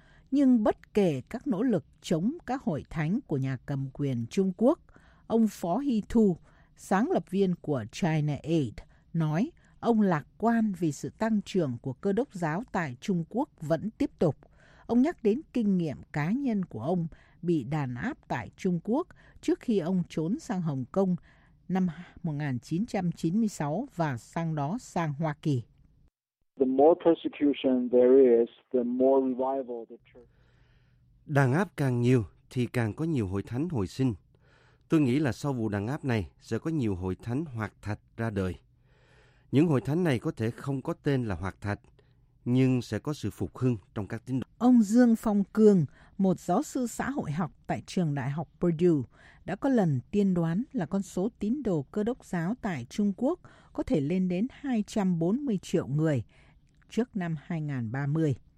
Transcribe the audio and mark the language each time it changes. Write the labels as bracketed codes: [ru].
[vi] Nhưng bất kể các nỗ lực chống các hội thánh của nhà cầm quyền Trung Quốc, ông Phó Hy Thu, sáng lập viên của China Aid, nói ông lạc quan vì sự tăng trưởng của cơ đốc giáo tại Trung Quốc vẫn tiếp tục. Ông nhắc đến kinh nghiệm cá nhân của ông bị đàn áp tại Trung Quốc trước khi ông trốn sang Hồng Kông năm 1996 và sang đó sang Hoa Kỳ. [en] The more persecution there is, the more revival the church. [vi] Đàn áp càng nhiều thì càng có nhiều hội thánh hồi sinh. Tôi nghĩ là sau vụ đàn áp này sẽ có nhiều hội thánh Hoạt Thạch ra đời. Những hội thánh này có thể không có tên là Hoạt Thạch, nhưng sẽ có sự phục hưng trong các tín đồ. Ông Dương Phong Cương, một giáo sư xã hội học tại trường Đại học Purdue, đã có lần tiên đoán là con số tín đồ Cơ Đốc giáo tại Trung Quốc có thể lên đến 240 triệu người trước năm 2030.